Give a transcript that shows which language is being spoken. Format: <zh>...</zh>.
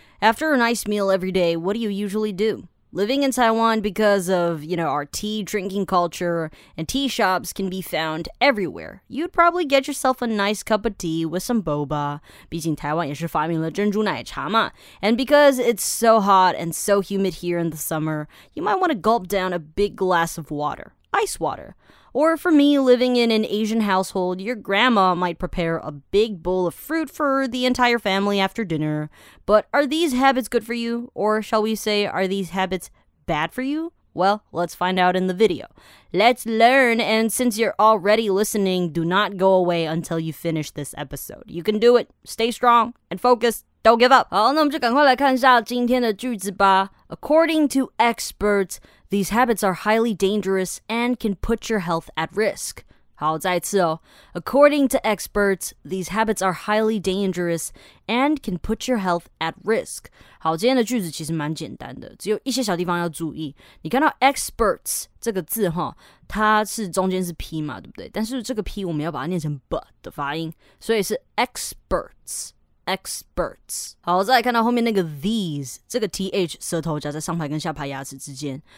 <en>After a nice meal every day, what do you usually do? Living in Taiwan because of, you know, our tea drinking culture and tea shops can be found everywhere. You'd probably get yourself a nice cup of tea with some boba.</en> <zh>毕竟台湾也是发明了珍珠奶茶嘛。</zh> <en>And because it's so hot and so humid here in the summer, you might want to gulp down a big glass of water. Ice water. Or for me, living in an Asian household, your grandma might prepare a big bowl of fruit for the entire family after dinner. But are these habits good for you? Or shall we say, are these habits bad for you? Well, let's find out in the video. Let's learn, and since you're already listening, do not go away until you finish this episode. You can do it. Stay strong and focus. Don't give up.</en> <zh>好，那我们就赶快来看一下今天的句子吧。</zh> <en>According to experts,These habits are highly dangerous and can put your health at risk.</en> <zh>好，再一次哦。</zh> <en>According to experts, these habits are highly dangerous and can put your health at risk.</en> <zh>好，今天的句子其实蛮简单的，只有一些小地方要注意。你看到 experts 这个字哈，它是中间是 p 嘛，对不对？但是这个 p 我们要把它念成 b 的发音，所以是 experts. Experts. 好，再来看到后面那个 these， 这个 th 舌头夹在上排跟下排牙齿之间。</zh>